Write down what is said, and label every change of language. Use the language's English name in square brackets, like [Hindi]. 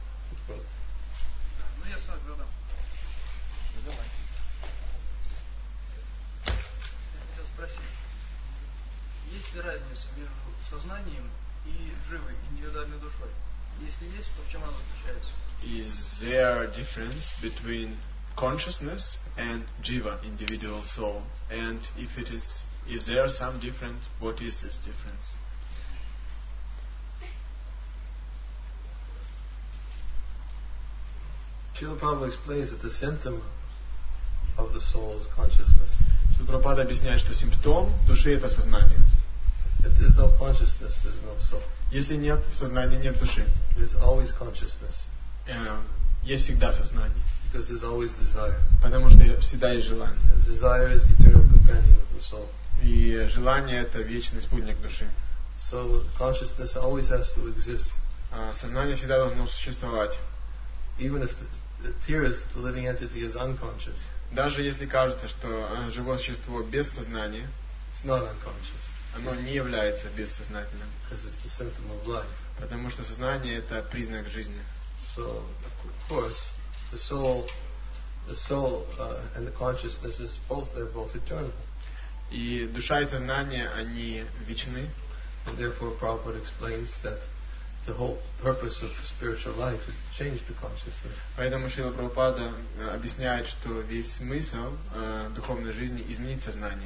[Russian] Вопрос. Да, ну я сам задам. Ну давай. Я хотел спросить. Есть ли разница между сознанием и дживой, индивидуальной душой? Если есть, то в чем она заключается? [English] Is there a difference between consciousness and jiva, individual soul? And if there are some difference, what is this difference? Srila Prabhupada explains that the symptom of the soul is consciousness. [Russian] Srila Prabhupada объясняет, что симптом души это сознание. [English] If there's no consciousness, there's no soul. [Russian] Если нет сознания, нет души. [English] There's always consciousness. [Russian] Есть всегда сознание. [English] Because there's always desire. [Russian] Потому что всегда есть желание. [English] The desire is the eternal companion of the soul. [Russian] И желание это вечный спутник души. [English] So consciousness always has to exist. [Russian] Сознание всегда должно существовать. [English] Even if the appears the living entity is unconscious. [Russian] Даже если кажется, что живое существо без сознания. [English] It's not unconscious. [Russian] Оно не является бессознательным. [English] Because it's the symptom of life. [Russian] Потому что сознание это признак жизни. [English] So of course. The soul, and the consciousness is both eternal. [Russian] И душа и сознание они вечны. [English] And therefore, Prabhupada explains that the whole purpose of spiritual life is to change the consciousness. [Russian] Поэтому Шрила Прабхупада объясняет, что весь смысл духовной жизни изменить сознание.